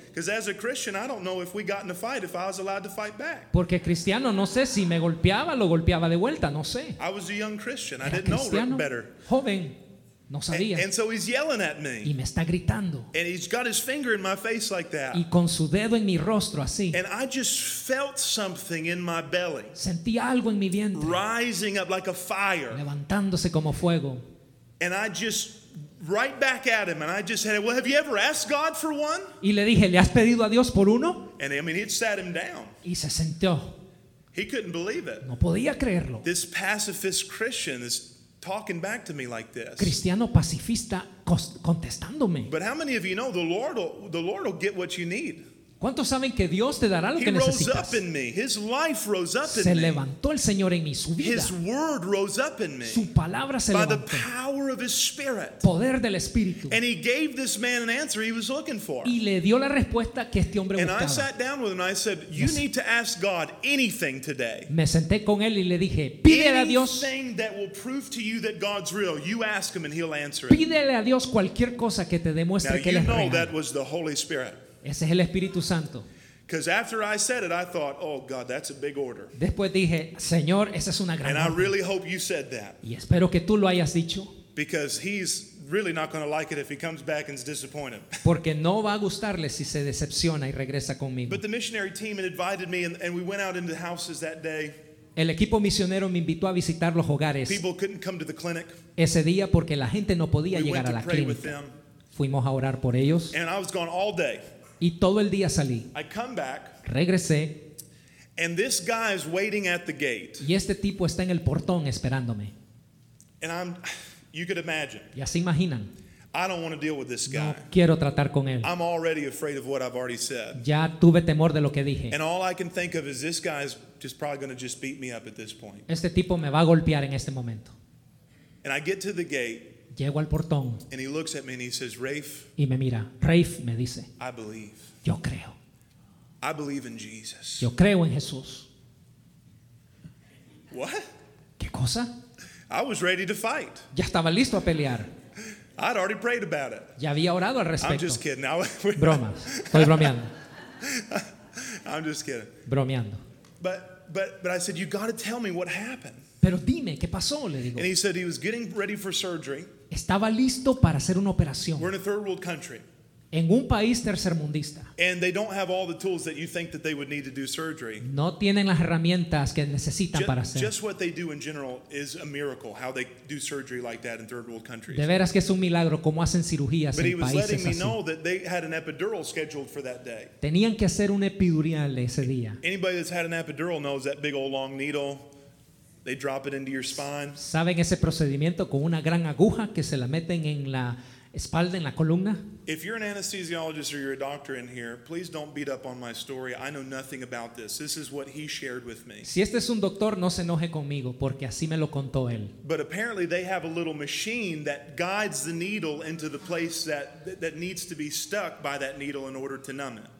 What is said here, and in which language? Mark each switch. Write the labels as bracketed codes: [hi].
[en] Because as a Christian, I don't know if we got in a fight, if I was allowed to fight back. [es] Porque cristiano, no sé si me golpeaba, lo golpeaba de vuelta, no sé. [en] I was a young Christian. [es] Era [en] I didn't [es] cristiano, [en] know better. [es] Joven, no sabía. [en] And so he's yelling at me. [es] Y me está gritando. [en] And he's got his finger in my face like that. [es] Y con su dedo en mi rostro así. [en] And I just felt something in my belly. [es] Sentí algo en mi vientre. [en] Rising up like a fire. [es] Levantándose como fuego. [en] And I just right back at him, and I just said, "Well, have you ever asked God for one?" [es] Y le dije, ¿le has pedido a Dios por uno? [en] And I mean, he sat him down. [es] Y se sentó. [en] He couldn't believe it. [es] No podía creerlo. [en] This pacifist Christian is talking back to me like this. [es] Cristiano pacifista contestándome. [en] But how many of you know the Lord will get what you need? [es] ¿Cuántos saben que Dios te dará lo que necesitas? [en] He rose up in me. His life rose up in me. [es] Se levantó el Señor en mí, su vida. [en] His word rose up in me. [es] Su palabra se levantó. [en] By the power of his spirit. [es] Poder del Espíritu. [en] And he gave this man an answer he was looking for. [es] Y le dio la respuesta que este hombre buscaba. [en] And I sat down with him and I said, you need to ask God anything today. [es] Me senté con él y le dije, pídele a Dios. [en] Anything that will prove to you that God's real, you ask him and he'll answer it. [es] Pídele a Dios cualquier cosa que te demuestre que él es real. [en] Now you know that was the Holy Spirit. [es] Ese es el Espíritu Santo. [en] Because after I said it, I thought, oh God, that's a big order. [es] Después dije, Señor, esa es una gran [en] and [es] orden. [en] I really hope you said that. [es] Y espero que tú lo hayas dicho. [en] Because he's really not going to like it if he comes back and is disappointed. [es] Porque no va a gustarle si se decepciona y regresa conmigo. [en] But the missionary team had invited me and we went out into houses that day. [es] El equipo misionero me invitó a visitar los hogares. [en] People couldn't come to the clinic. [es] Ese día porque la gente no podía llegar a la clínica. [en] We went to pray with them. [es] Fuimos a orar por ellos. [en] And I was gone all day. [es] Y todo el día salí. [en] I come back, [es] regresé. [en] And this guy is waiting at the gate. [es] Y este tipo está en el portón esperándome. [en] And I'm, you could imagine. [es] Ya se imaginan. [en] I don't want to deal with this guy. [es] No quiero tratar con él. [en] I'm already afraid of what I've already said. [es] Ya tuve temor de lo que dije. [en] And all I can think of is this guy is just probably going to just beat me up at this point. [es] Este tipo me va a golpear en este momento. [en] And I get to the gate. [es] Llego al portón. [en] And he looks at me and he says, Rafe. [es] Y me mira. Rafe me dice. [en] I believe. [es] Yo creo. [en] I believe in Jesus. [es] Yo creo en Jesús. [en] What? [es] ¿Qué cosa? [en] I was ready to fight. [es] Ya estaba listo a pelear. [en] I'd already prayed about it. [es] Ya había orado al respecto. [en] I'm just kidding. [es] Bromas. Estoy bromeando. [en] I'm just kidding. [es] Bromeando. [en] But I said, you got to tell me what happened. [es] Pero dime, ¿qué pasó? Le digo. [en] And he said he was getting ready for surgery. [es] Estaba listo para hacer una operación. [en] We're in a third world country. [es] En un país tercermundista. [en] And they don't have all the tools that you think that they would need to do surgery. [es] No tienen las herramientas que necesitan [en] just, [es] para hacer. [en] Just what they do in general is a miracle, how they do surgery like that in third world countries. [es] De veras que es un milagro cómo hacen cirugías [en] but [es] en países así. [en] But he was letting me know that they had an epidural scheduled for that day. [es] Tenían que hacer un epidural ese día. [en] Anybody that's had an epidural knows that big old long needle. They drop it into your spine. [es] ¿Saben ese procedimiento con una gran aguja que se la meten en la espalda, en la columna? [en] If you're an anesthesiologist or you're a doctor in here, please don't beat up on my story. I know nothing about this. This is what he shared with me. [es] Si este es un doctor, no se enoje conmigo porque así me lo contó él. [en] But apparently they have a little machine that guides the needle into the place that needs to be stuck by that needle in order to numb it.